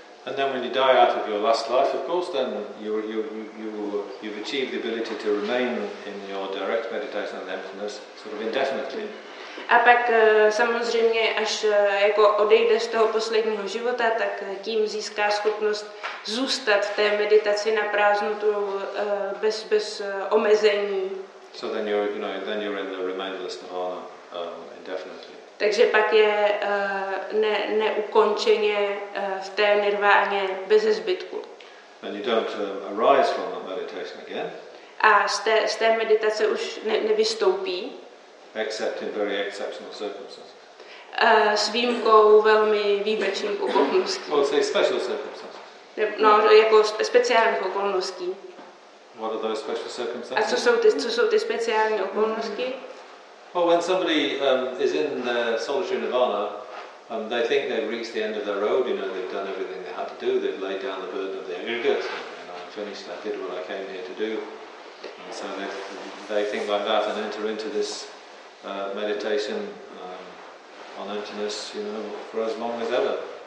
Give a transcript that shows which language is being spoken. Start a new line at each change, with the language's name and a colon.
English: And then when you die out of your last life, of course, then you've achieved the ability to remain in your direct meditation and emptiness sort of indefinitely.
Czech: A pak samozřejmě, až jako odejde z toho posledního života, tak tím získá schopnost zůstat v té meditaci na prázdnotu bez omezení.
English: So then you're, you know, then you're in the remainderless nirvana indefinitely.
Czech: Takže pak je neukončeně v té nirváně bez zbytku.
English: And you don't arise from that meditation again.
Czech: A z té meditace už nevystoupí.
English: Except in very exceptional circumstances.
Czech: S výjimkou velmi výjimečných okolností.
English: Well, say special circumstances.
Czech: No, jako speciálních okolností.
English: What are those special circumstances?
Czech: A co jsou ty speciální okolnosti?
English: Well, when somebody is in the solitary nirvana, they think they've reached the end of their road. You know, they've done everything they had to do. They've laid down the burden of the aggregate. You know, I'm finished. I did what I came here to do. And so they think like that and enter into this meditation on emptiness, you know, for as long as ever.